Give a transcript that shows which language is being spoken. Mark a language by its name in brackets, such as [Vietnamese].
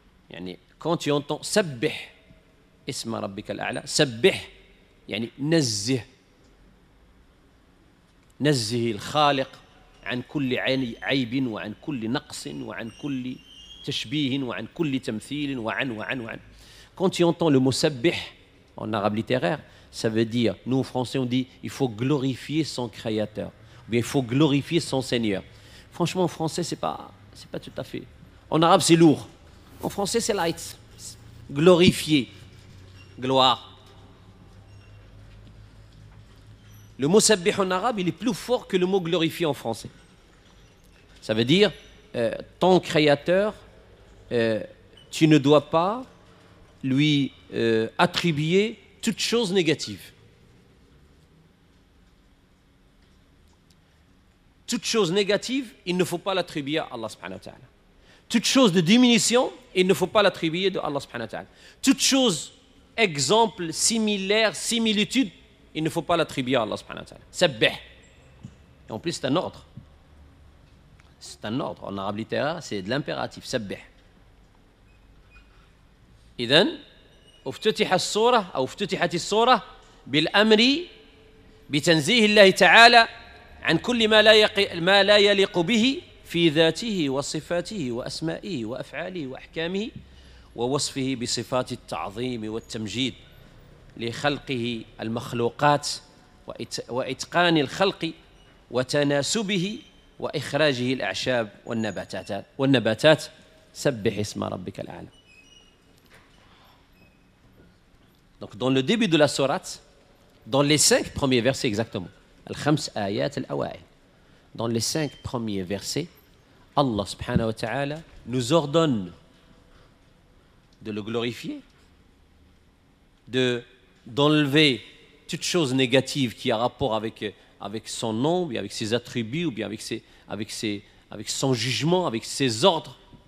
[Arabic] يعني [French] كونت يونتون [Arabic] سبح اسم ربك الأعلى. سبح يعني نزه, نزه الخالق عن كل عيب وعن كل نقص وعن كل تشبيه وعن كل تمثيل وعن وعن وعن. [French] Quand tu entends le mot sabbih en arabe littéraire, ça veut dire, nous en français on dit, il faut glorifier son créateur, ou bien il faut glorifier son seigneur. Franchement, en français, c'est pas tout à fait. En arabe, c'est lourd. En français, c'est light. Glorifier. Gloire. Le mot sabbih en arabe, il est plus fort que le mot glorifier en français. Ça veut dire, ton créateur, tu ne dois pas lui attribuer toute chose négative. Toute chose négative, il ne faut pas l'attribuer à Allah subhanahu wa ta'ala. Toute chose de diminution, il ne faut pas l'attribuer à Allah subhanahu wa ta'ala. Toute chose, exemple, similaire, similitude, il ne faut pas l'attribuer à Allah subhanahu wa ta'ala. Sabbih. Et en plus, c'est un ordre. C'est un ordre. En arabe littéraire, c'est de l'impératif. [Arabic] Sabbih. إذن افتتح السورة أو افتتحت السورة بالأمر بتنزيه الله تعالى عن كل ما لا يليق به في ذاته وصفاته وأسمائه وأفعاله وأحكامه ووصفه بصفات التعظيم والتمجيد لخلقه المخلوقات وإتقان الخلق وتناسبه وإخراجه الأعشاب والنباتات سبح اسم ربك الأعلى. [French] Donc dans le début de la sourate, dans les cinq premiers versets exactement, [Arabic] Al-Khams Ayat Al-Awa'il, [French] dans les cinq premiers versets, Allah subhanahu wa ta'ala nous ordonne de le glorifier, d'enlever toute chose négative qui a rapport avec son nom, ou avec ses attributs, ou bien avec son jugement, avec ses ordres.